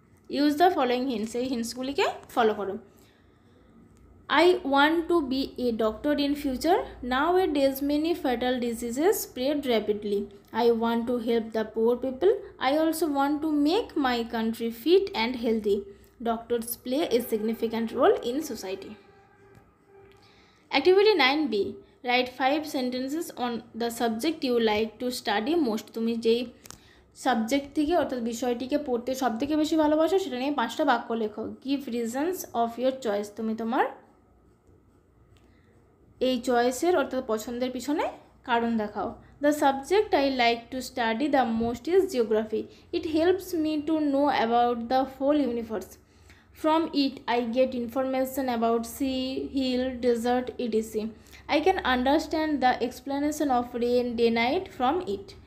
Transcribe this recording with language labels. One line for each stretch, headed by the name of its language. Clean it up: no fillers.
English: use the following hints,
Bangla: এই হিন্টসগুলিকে follow করো।
English: I want to be a doctor in future, nowadays many fatal diseases spread rapidly. I want to help the poor people, I also want to make my country fit and healthy. Doctors play a significant role in society. Activity 9B. Write 5 sentences on the subject you like to study most.
Bangla: তুমি যেই subject থেকে অর্থাৎ বিষয়টিকে পড়তে সবথেকে বেশি ভালোবাসো সেটা নিয়ে 5টা বাক্য লেখো.
English: Give reasons of your choice.
Bangla: তুমি তোমার এই চয়েসের অর্থাৎ পছন্দের পিছনে কারণ দেখাও.
English: The subject I like to study the most is geography. It helps me to know about the whole universe. From it, I get information about sea, hill, desert, etc. I can understand the explanation of rain, day, night from it.